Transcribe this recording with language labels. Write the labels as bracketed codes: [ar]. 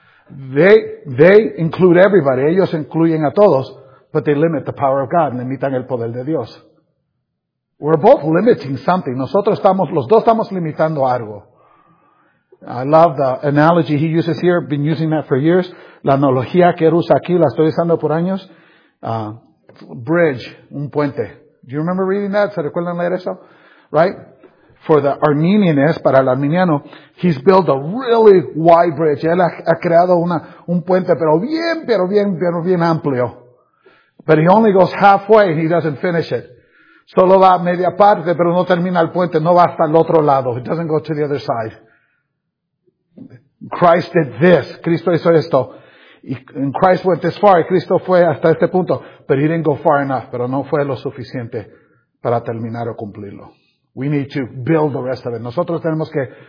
[en] They include everybody, [es] ellos incluyen a todos, [en] but they limit the power of God, [es] limitan el poder de Dios. [en] We're both limiting something. [es] Nosotros estamos, los dos estamos limitando algo. [en] I love the analogy he uses here, been using that for years. [es] La analogía que él usa aquí, la estoy usando por años. [en] Bridge, un puente. Do you remember reading that? [es] ¿Se recuerdan leer eso? [en] Right? For the Arminianist, [es] para el arminiano, [en] he's built a really wide bridge. [es] Él ha creado un puente, pero bien amplio. [en] But he only goes halfway and he doesn't finish it. [es] Solo va media parte, pero no termina el puente. No va hasta el otro lado. [en] He doesn't go to the other side. Christ did this. [es] Cristo hizo esto. [en] And Christ went this far. [es] Cristo fue hasta este punto. [en] But he didn't go far enough. [es] Pero no fue lo suficiente para terminar o cumplirlo. [en] We need to build the rest of it. [es] Nosotros tenemos que